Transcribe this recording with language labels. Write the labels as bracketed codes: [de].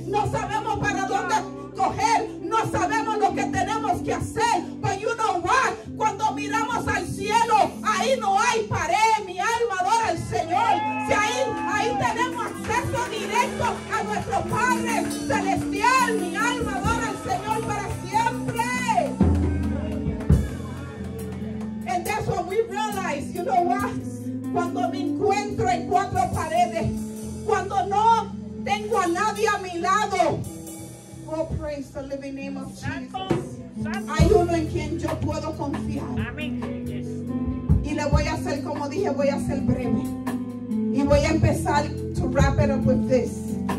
[es] No sabemos para dónde coger, no sabemos lo que tenemos que hacer. [en] But you know what? [es] Cuando miramos al cielo, ahí no hay pared, mi alma adora al Señor. Si ahí tenemos acceso directo a nuestro Padre celestial, mi alma adora al Señor para siempre. [en] And that's what we realize, you know what? [es] Cuando me encuentro en cuatro paredes, cuando no tengo a nadie a mi lado. [en] Oh, praise the living name of Jesus. [es] Hay uno en quien yo puedo confiar. Y le voy a hacer, como dije, voy a ser breve. Y voy a empezar [en] to wrap it up with this.